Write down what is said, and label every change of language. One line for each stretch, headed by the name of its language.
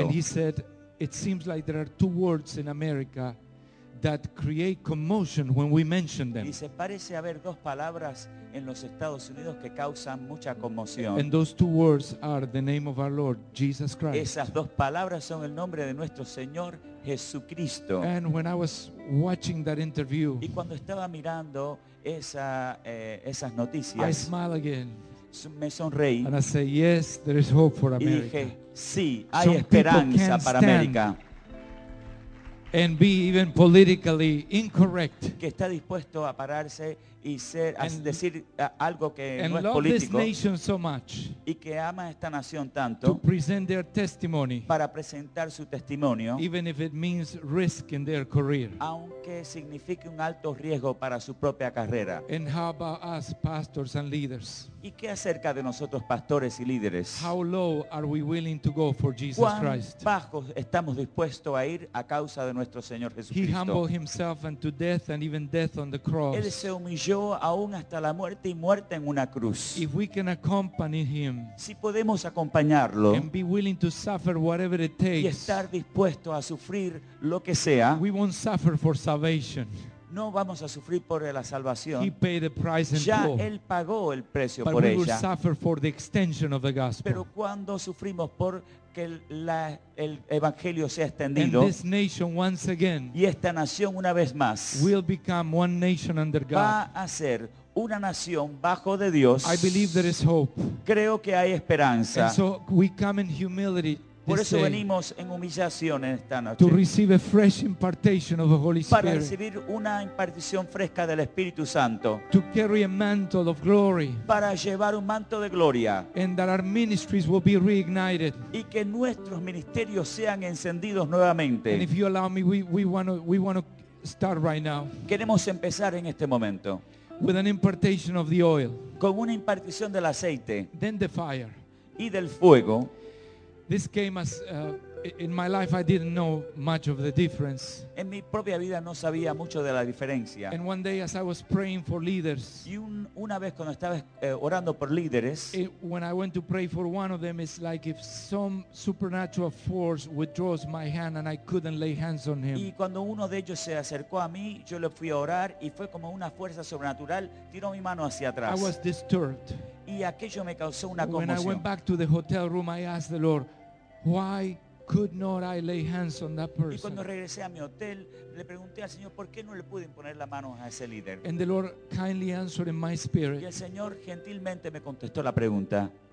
English: And he said, it seems like there are two words in America that create commotion when we mention them.
Spanish: Dice, parece haber dos palabras en los Estados Unidos que causan mucha conmoción.
English: And those two words are the name of our Lord, Jesus Christ.
Spanish: Esas dos palabras son el nombre de nuestro Señor Jesucristo.
English: And when I was watching that interview,
Spanish: y cuando estaba mirando esas noticias,
English: I smile again.
Spanish: Me sonreí.
English: And I say, yes, there is hope for America.
Spanish: Y dije, sí, hay esperanza para América.
English: And be even politically incorrect.
Spanish: Que está dispuesto a pararse y ser a decir algo que no es político.
English: And love this nation so much.
Spanish: Y que ama esta nación tanto.
English: To present their testimony.
Spanish: Para presentar su testimonio.
English: Even if it means risk in their career.
Spanish: Aunque signifique un alto riesgo para su propia carrera.
English: And how about us, pastors and leaders?
Spanish: ¿Y qué acerca de nosotros pastores y líderes?
English: How low are we willing to go for Jesus
Spanish: ¿Cuán
English: Christ?
Spanish: Bajos estamos dispuestos a ir a causa de nuestro Señor Jesucristo.
English: He humbled himself unto death and even death on the cross.
Spanish: Él se humilló aún hasta la muerte y muerte en una cruz.
English: If we can accompany him,
Spanish: si podemos acompañarlo,
English: and be willing to suffer whatever it takes,
Spanish: y estar dispuesto a sufrir lo que sea,
English: we won't suffer for salvation.
Spanish: no vamos a sufrir por la salvación.
English: He paid the price ya full.
Spanish: Él pagó el precio
English: but
Spanish: por
English: we
Spanish: ella.
English: Will suffer for the extension of the gospel.
Spanish: Pero cuando sufrimos por que el evangelio sea extendido,
English: and this nation once again,
Spanish: y esta nación una vez más,
English: will become one nation under God.
Spanish: Va a ser una nación bajo de Dios.
English: I believe there is hope.
Spanish: Creo que hay esperanza.
English: And so we come in humility.
Spanish: Por eso venimos en humillación en esta noche.
English: To receive a fresh impartation of the Holy Spirit.
Spanish: Para recibir una impartición fresca del Espíritu Santo.
English: To carry a mantle of glory.
Spanish: Para llevar un manto de gloria.
English: And that our ministries will be reignited.
Spanish: Y que nuestros ministerios sean encendidos nuevamente.
English: And if you allow me, we want to start right now.
Spanish: Queremos empezar en este momento.
English: With an impartation of the oil.
Spanish: Con una impartición del aceite.
English: Then the fire.
Spanish: Y del fuego.
English: This came as in my life I didn't know much of the difference.
Spanish: En mi propia vida no sabía mucho de la diferencia.
English: And one day as I was praying for leaders.
Spanish: Y una vez cuando estaba orando por líderes.
English: When I went to pray for one of them, it's like if some supernatural force withdraws my hand and I couldn't lay hands on him.
Spanish: Y cuando uno de ellos se acercó a mí, yo le fui a orar y fue como una fuerza sobrenatural tiró mi mano hacia atrás.
English: I was disturbed.
Spanish: Y aquello me causó una conmoción.
English: When I went back to the hotel room, I asked the Lord, why could not I lay hands on that person?
Spanish: Y cuando regresé a mi hotel, le pregunté al Señor, ¿por qué no le pude imponer la mano a ese líder?
English: And the Lord kindly answered in my spirit.
Spanish: Y el Señor gentilmente me contestó la pregunta.